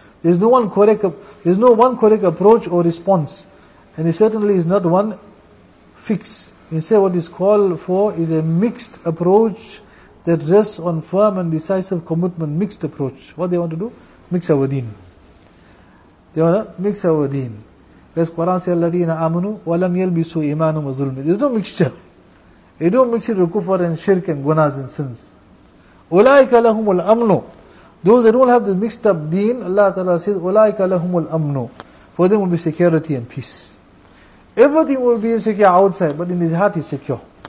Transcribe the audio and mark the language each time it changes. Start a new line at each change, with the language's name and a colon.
English: There's no one correct approach or response. And it certainly is not one fix. Instead, what is called for is a mixed approach that rests on firm and decisive commitment. Mixed approach. What they want to do? Mix our deen. They want to mix our deen. As Quran says,
Arabic: الَّذِينَ آمَنُوا وَلَمْ يَلْبِسُوا إِيمَانُمْ وَظُلْمِ.
English: There's no mixture. You don't mix it with kufr and shirk and gunas and sins.
Arabic: أُولَٰئِكَ لَهُمُ الْأَمْنُ.
English: Those that don't have this mixed up deen, Allah Ta'ala says,
Arabic: أُولَٰئِكَ لَهُمُ الْأَمْنُ.
English: For them will be security and peace. Everything will be insecure outside, but in his heart he's secure.